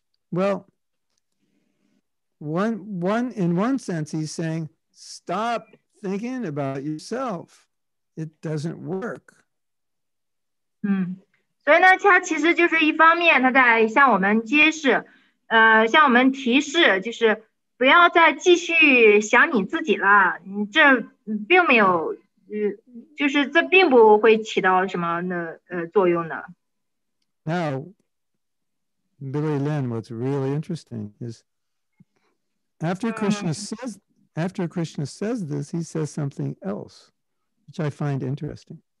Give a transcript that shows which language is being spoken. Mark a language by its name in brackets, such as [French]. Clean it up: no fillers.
[English] Well, in one sense, he's saying, stop thinking about yourself. It doesn't work. [Chinese] 所以呢，他其实就是一方面，他在向我们提示，就是。不要再继续想你自己了，你这并没有，就是这并不会起到什么的作用的。 [English] Now, Billy Lynn, what's really interesting is after Krishna says this, he says something else, which I find interesting.